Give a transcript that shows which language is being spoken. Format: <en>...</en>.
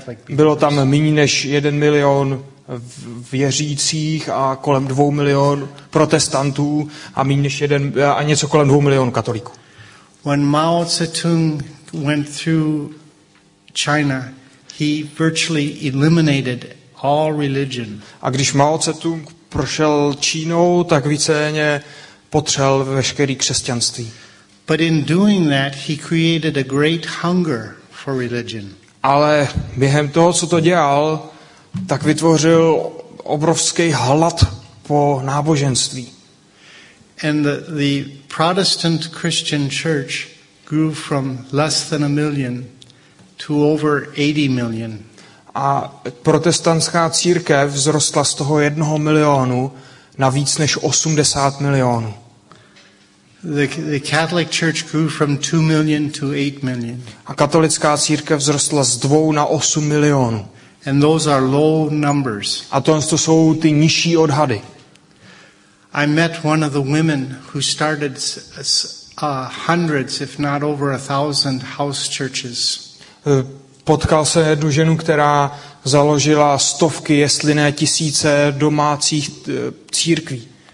<cs>bylo tam méně než 1 milion věřících a kolem 2 milion protestantů a méně než něco kolem 2 milion katolíků.</cs> <en>When Mao Zedong went through China, he virtually eliminated all religion.</en> <cs>A když Mao Zedong prošel Čínou, tak víceméně potřel veškerý křesťanství.</cs> <en>But in doing that, he created a great hunger for religion.</en> <cs>Ale během toho, co to dělal, tak vytvořil obrovský hlad po náboženství.</cs> <en>And the Protestant Christian church grew from less than a million to over 80 million.</en> <cs>A protestantská církev vzrostla z toho 1 milionu na víc než 80 milionů.</cs> <en>The Catholic Church grew from 2 million to 8 million.</en> <cs>A katolická církev vzrostla z 2 na 8 milionů.</cs> <en>And those are low numbers.</en> <cs>A to jsou ty nižší odhady.</cs> <en>I met one of the women who started hundreds, if not over 1,000 house churches.</en> <cs>Potkal jsem jednu ženu, která založila stovky, jestli ne tisíce domácích církví.</cs>